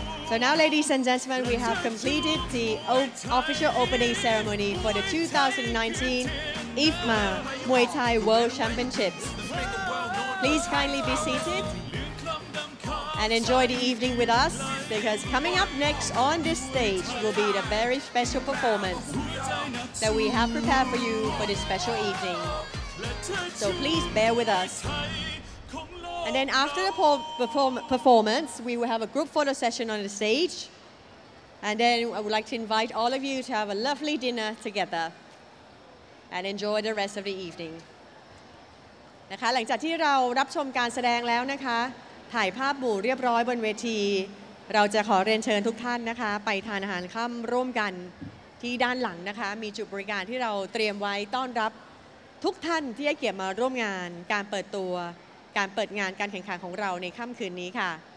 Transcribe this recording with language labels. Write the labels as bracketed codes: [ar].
[en] So now ladies and gentlemen we have completed the official opening ceremony for the 2019 IFMA Muay Thai World ChampionshipsPlease kindly be seated and enjoy the evening with us because coming up next on this stage will be the very special performance that we have prepared for you for this special evening. So please bear with us. And then after the performance, we will have a group photo session on the stage. And then I would like to invite all of you to have a lovely dinner together and enjoy the rest of the evening. [th] นะคะหลังจากที่เรารับชมการแสดงแล้วนะคะถ่ายภาพหมู่เรียบร้อยบนเวทีเราจะขอเรียนเชิญทุกท่านนะคะไปทานอาหารค่ำร่วมกันที่ด้านหลังนะคะมีจุดบริการที่เราเตรียมไว้ต้อนรับทุกท่านที่ให้เกียรติมาร่วมงานการเปิดตัวการเปิดงานการแข่งขันของเราในค่ำคืนนี้ค่ะ